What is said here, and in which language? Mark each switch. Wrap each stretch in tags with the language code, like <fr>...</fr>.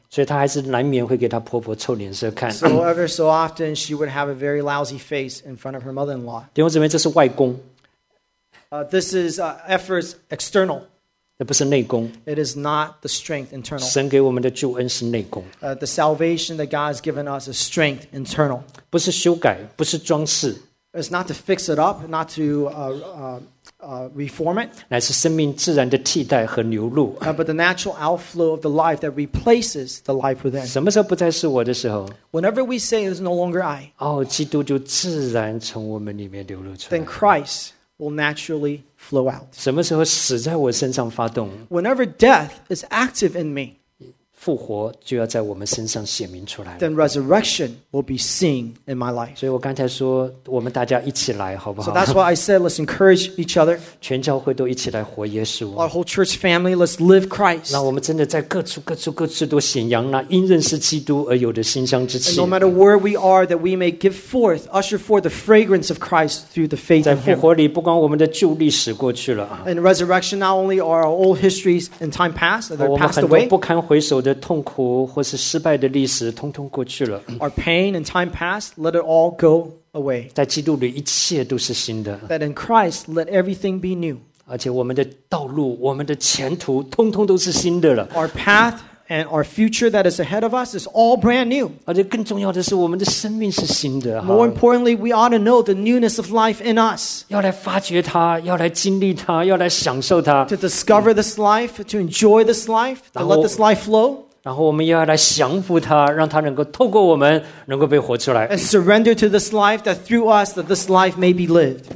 <zh>所以她还是难免会给她婆婆臭脸色看。</zh> <en>So ever so often, she would have a very lousy face in front of her mother-in-law.</en> <zh>弟兄姊妹，这是外功。</zh> <en>This is efforts external.</en> <zh>这不是内功。</zh> <en>It is not the strength internal.</en> <zh>神给我们的救恩是内功。</zh> <en>The salvation that God has given us is strength internal.</en> <zh>不是修改，不是装饰。</zh> <en>It's not to fix it up, not to reform it,</en> <zh>乃是生命自然的替代和流露。</zh> <en>But the natural outflow of the life that replaces the life within.</en> <zh>什么时候不再是我的时候？</zh> <en>Whenever we say it's no longer I.</en> <zh>哦，基督就自然从我们里面流露出来。</zh> <en>Then Christ will naturally flow out.</en> <zh>什么时候死在我身上发动？</zh> <en>Whenever death is active in me.</en> <zh>复活就要在我们身上显明出来。</zh> <en>Then resurrection will be seen in my life.</en> <zh>所以我刚才说，我们大家一起来，好不好？</zh> <en>So that's why I said, let's encourage each other.</en> <zh>全教会都一起来活耶稣。</zh> <en>Our whole church family, let's live Christ.</en> <zh>那我们真的在各处各处各处都显扬那因认识基督而有的馨香之气。</zh> <en>And no matter where we are, that we may give forth, usher forth the fragrance of Christ through the faith in Him.</en> <zh>在复活里，不光我们的旧历史过去了。</zh> <en>In resurrection, not only are our old histories in time past, they're passed away.</en> <zh>我们很多不堪回首的痛苦或是失败的历史通通过去了。</zh> <en>Our pain and time past, let it all go away.</en> <zh>在基督里一切都是新的。</zh> <en>That in Christ, let everything be new.</en> <zh>而且我们的道路我们的前途通通都是新的了。</zh> <en>Our path and our future that is ahead of us is all brand new.</en> <zh>而且更重要的是我们的生命是新的。</zh> <en>More importantly, we ought to know the newness of life in us.</en> <zh>要来发掘它，要来经历它，要来享受它。</zh> <en>To discover this life, to enjoy this life, to let this life flow.</en> <zh>然后我们要来降服它，让它能够透过我们能够被活出来。</zh> <en>And surrender to this life, that through us, that this life may be lived.</en>